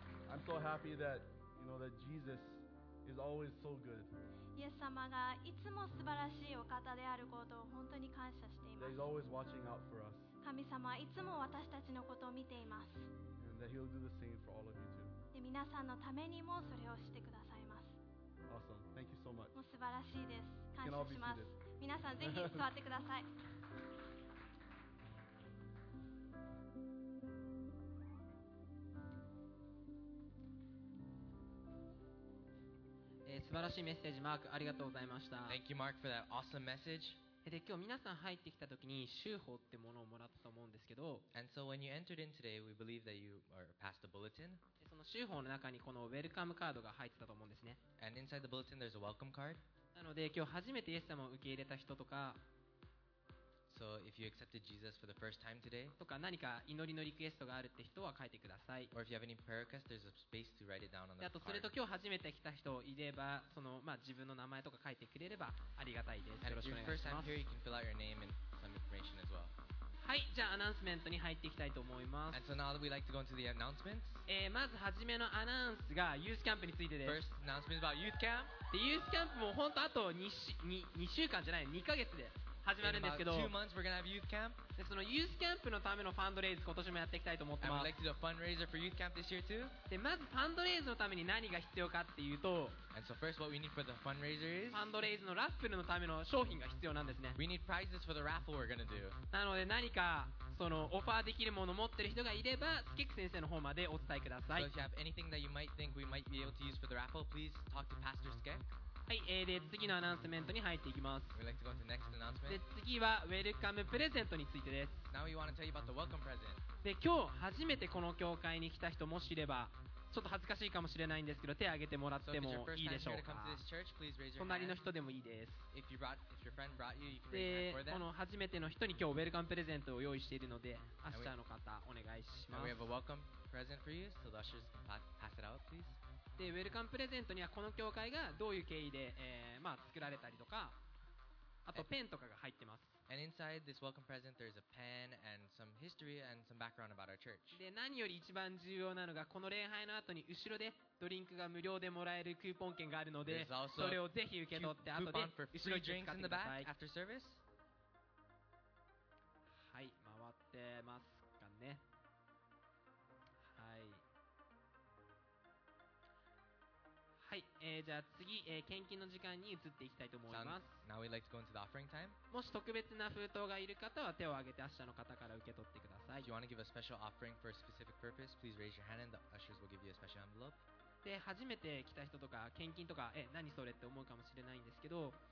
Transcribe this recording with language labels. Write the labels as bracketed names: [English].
[English] I'm so happy that you know that Jesus is always so good. [Japanese] イエス様がいつも素晴らしいお方であることを本当に感謝しています。 [English] That He's always watching out for us. [Japanese] 神様はいつも私たちのことを見ています。 [English] And that He'll do the same for all of you too. [Japanese] で、皆さんのためにもそれをしてくださいます。 [English] Awesome. Thank you so much. [Japanese] もう素晴らしいです。感謝します。皆さんぜひ座ってください。素晴らしいメッセージマークありがとうございました。 [English] Thank you Mark for that awesome message. [Japanese] で、今日皆さん入ってきた時に週報ってものをもらったと思うんですけど、 [English] And so when you entered in today, we believe that you are passed a bulletin. [Japanese] で、その週報の中にこのウェルカムカードが入ってたと思うんですね。 [English] And inside the bulletin, there's a welcome card. [Japanese] なので、今日初めてイエス様を受け入れた人とか、 [English] So if you accepted Jesus for the first time today, [Japanese] とか何か祈りのリクエストがあるって人は書いてください。 [English] Or if you have any prayer requests, there's a space to write it down on the card. [Japanese] あとそれと今日初めて来た人いれば、そのまあ自分の名前とか書いてくれればありがたいです。よろしくお願いします。 [English] And if you're first time here, you can fill out your name and some information as well. [Japanese] はい、じゃあアナウンスメントに入っていきたいと思います。 [English] And so now that we'd like to go into the announcements. [Japanese] まず初めのアナウンスがユースキャンプについてです。 [English] First announcement about youth camp. [Japanese] で、ユースキャンプも本当あと2週間じゃない、2ヶ月で。始まるんですけど、 [English] In about 2 months, we're gonna have youth camp. [Japanese] で、そのユースキャンプのためのファンドレイズ今年もやっていきたいと思ってます。 [English] And we'd like to do a fundraiser for youth camp this year too. [Japanese] で、まずファンドレイズのために何が必要かっていうと、 [English] And so first, what we need for the fundraiser is [Japanese] ファンドレイズのラッフルのための商品が必要なんですね。 [English] We need prizes for the raffle we're gonna do. [Japanese] なので何かそのオファーできるものを持ってる人がいればスケック先生の方までお伝えください。 [English] So if you have anything that you might think we might be able to use for the raffle, please talk to Pastor Skek. [Japanese] はい、で次のアナウンスメントに入っていきます。 [English] We'd like to go to the next announcement. [Japanese] で次はウェルカムプレゼントについてです。 [English] Now we want to tell you about the welcome present. [Japanese] で今日初めてこの教会に来た人もしいればちょっと恥ずかしいかもしれないんですけど手を挙げてもらってもいいでしょうか。 [English] So, church, [Japanese] 隣の人でもいいです。 [English] if your friend brought you, you can raise your hand for them. [Japanese] この初めての人に今日ウェルカムプレゼントを用意しているので明日の方お願いします。 [English] Now we have a welcome present for you, so the ushers pass it out please. [Japanese] でウェルカムプレゼントにはこの教会がどういう経緯で、まあ、作られたりとかあとペンとかが入ってます。 [English] And inside this welcome present there's a pen and some history and some background about our church. [Japanese] で何より一番重要なのがこの礼拝の後に後ろでドリンクが無料でもらえるクーポン券があるのでそれをぜひ受け取って後で後ろに使ってください。 [English] Back after service. [Japanese] はい、回ってますかね。はい、はい、じゃあ次、献金の時間に移っていきたいと思います。 [English] Now we'd like to go into the offering time. [Japanese] もし特別な封筒がいる方は手を挙げて明日の方から受け取ってください。 [English] If you want to give a special offering for a specific purpose, please raise your hand and the ushers will give you a special envelope. [Japanese] で、初めて来た人とか献金とか、何それって思うかもしれないんですけど、